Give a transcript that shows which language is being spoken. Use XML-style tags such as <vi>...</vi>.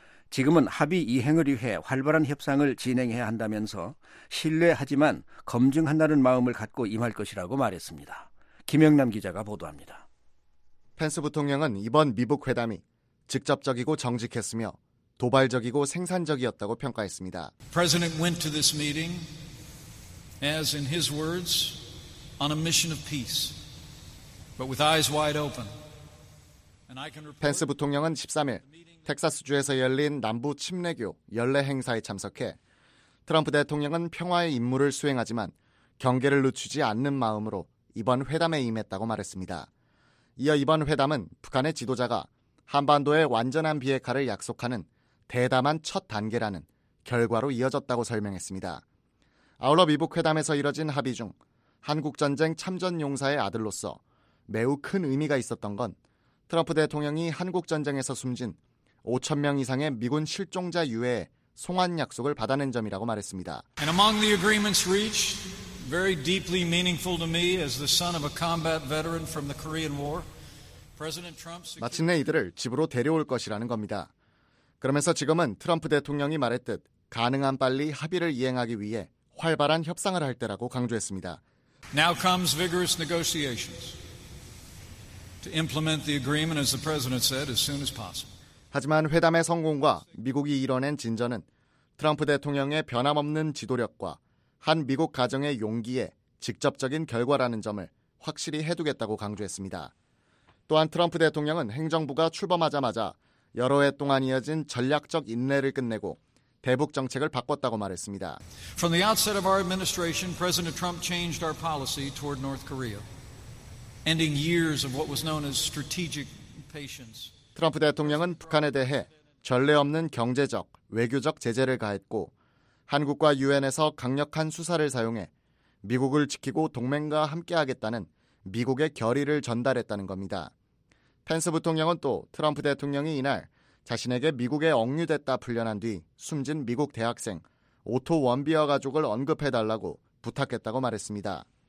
<ko>지금은 합의 이행을 위해 활발한 협상을 진행해야 한다면서 신뢰하지만 검증한다는 마음을 갖고 임할 것이라고 말했습니다. 김영남 기자가 보도합니다. 펜스 부통령은 이번 미북 회담이 직접적이고 정직했으며 도발적이고 생산적이었다고 평가했습니다.</ko> <en>President went to this meeting as in his words on a mission of peace but with eyes wide open.</en> <ko>펜스 부통령은 13일 텍사스주에서 열린 남부 침례교 연례 행사에 참석해 트럼프 대통령은 평화의 임무를 수행하지만 경계를 늦추지 않는 마음으로 이번 회담에 임했다고 말했습니다. 이어 이번 회담은 북한의 지도자가 한반도의 완전한 비핵화를 약속하는 대담한 첫 단계라는 결과로 이어졌다고 설명했습니다. 아울러 미북 회담에서 이뤄진 합의 중 한국전쟁 참전용사의 아들로서 매우 큰 의미가 있었던 건 트럼프 대통령이 한국전쟁에서 숨진 5천 명 이상의 미군 실종자 유해 송환 약속을 받아낸 점이라고 말했습니다.</ko> <en>And among the agreements reached, very deeply meaningful to me as the son of a combat veteran from the Korean War, President Trump's</en> <ko>마침내 이들을 집으로 데려올 것이라는 겁니다. 그러면서 지금은 트럼프 대통령이 말했듯 가능한 빨리 합의를 이행하기 위해 활발한 협상을 할 때라고 강조했습니다.</ko> <en>Now comes vigorous negotiations to implement the agreement as the president said as soon as possible.</en> <ko>하지만 회담의 성공과 미국이 이뤄낸 진전은 트럼프 대통령의 변함없는 지도력과 한 미국 가정의 용기에 직접적인 결과라는 점을 확실히 해두겠다고 강조했습니다. 또한 트럼프 대통령은 행정부가 출범하자마자 여러 해 동안 이어진 전략적 인내를 끝내고 대북 정책을 바꿨다고 말했습니다.</ko> <en>From the outset of our administration, President Trump changed our policy toward North Korea, ending years of what was known as strategic patience.</en> <ko>트럼프 대통령은 북한에 대해 전례 없는 경제적, 외교적 제재를 가했고 한국과 유엔에서 강력한 수사를 사용해 미국을 지키고 동맹과 함께하겠다는 미국의 결의를 전달했다는 겁니다. 펜스 부통령은 또 트럼프 대통령이 이날 자신에게 미국에 억류됐다 풀려난 뒤 숨진 미국 대학생 오토 원비어 가족을 언급해달라고 부탁했다고 말했습니다.</ko>